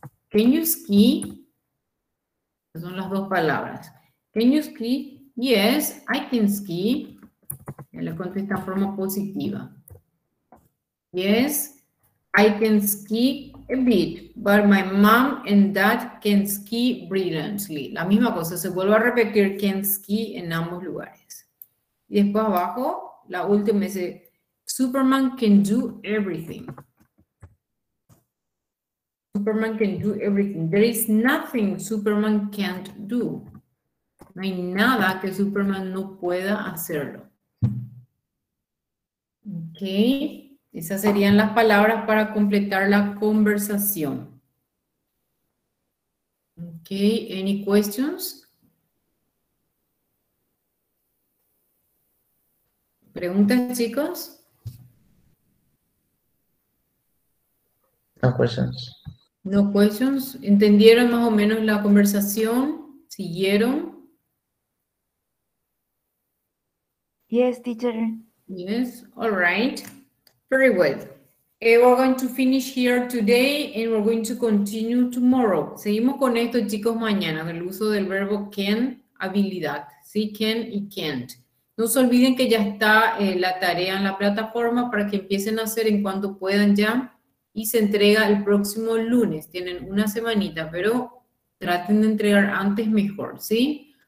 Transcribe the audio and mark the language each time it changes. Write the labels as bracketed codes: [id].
[en] Can you ski? [es] Esas son las dos palabras. [en] Can you ski? Yes, I can ski. [es] Ya le contesta en forma positiva. [en] Yes, I can ski a bit, but my mom and dad can ski brilliantly. [es] La misma cosa, se vuelve a repetir, can ski en ambos lugares. Y después abajo, la última dice, [en] Superman can do everything. Superman can do everything. There is nothing Superman can't do. [es] No hay nada que Superman no pueda hacerlo. Ok, esas serían las palabras para completar la conversación. [en] Ok, any questions? [es] ¿Preguntas, chicos? [en] No questions. No questions. [es] ¿Entendieron más o menos la conversación? ¿Siguieron? [en] Yes, teacher. Yes, all right. Very well. We're going to finish here today and we're going to continue tomorrow. [es] Seguimos con esto, chicos, mañana, del uso del verbo can, habilidad. Sí, can y can't. No se olviden que ya está la tarea en la plataforma para que empiecen a hacer en cuanto puedan ya y se entrega el próximo lunes. Tienen una semanita, pero traten de entregar antes mejor, ¿sí?